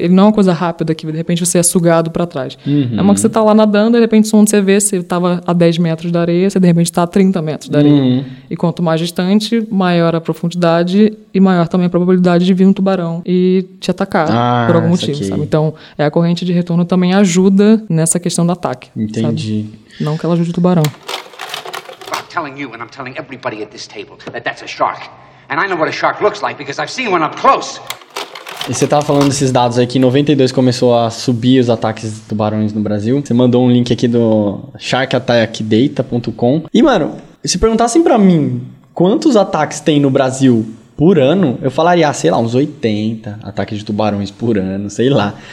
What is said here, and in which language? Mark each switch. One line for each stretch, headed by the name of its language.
Portuguese: Ele não é uma coisa rápida que, de repente, você é sugado pra trás. É uma que você tá lá nadando, e de repente, onde você vê, você tava a 10 metros da areia, você, de repente, tá a 30 metros da areia. E quanto mais distante, maior a profundidade e maior também a probabilidade de vir um tubarão e te atacar por algum motivo, aqui. Sabe? Então, a corrente de retorno também ajuda nessa questão do ataque. Entendi. Sabe? Não que ela ajude o tubarão.
English: I'm telling you and I'm telling everybody at this table that that's a shark. And I know what a shark looks like because I've seen one up close.
Portuguese: E você tava falando desses dados aí que em 92 começou a subir os ataques de tubarões no Brasil. Você mandou um link aqui do sharkattackdata.com. E, mano, se perguntassem pra mim quantos ataques tem no Brasil por ano, eu falaria, sei lá, uns 80 ataques de tubarões por ano, sei lá.